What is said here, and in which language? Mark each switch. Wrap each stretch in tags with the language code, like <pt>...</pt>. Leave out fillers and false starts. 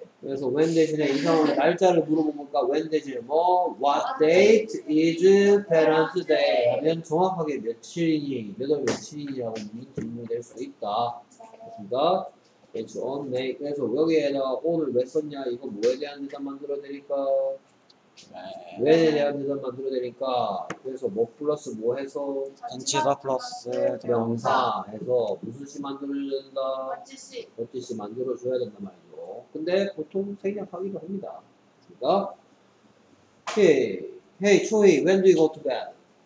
<ko>그래서</ko> <en>when</en> <ko>대신에 이 상황에 날짜를 물어본 건가?</ko> <en>When 대신에 뭐 what date is parents' day?</en> <ko>하면 정확하게 며칠이니 몇월 며칠이냐고 질문이 될 수 있다. 그렇습니다.</ko> <en>It's on May.</en> <ko>그래서 여기에다가 오늘 왜 썼냐 이거 뭐에 대한 대답 만들어내니까 네. 왜에 대한 대답 만들어내니까 그래서 뭐 플러스 뭐 해서 전치사 플러스 명사 해서 무슨 시 만들어줘야 된다 어찌 시 만들어줘야 된다 말이죠. 근데 보통 생략하기도 합니다. 그러니까</ko> <en>Hey, hey, Choi, when do you go to bed?</en>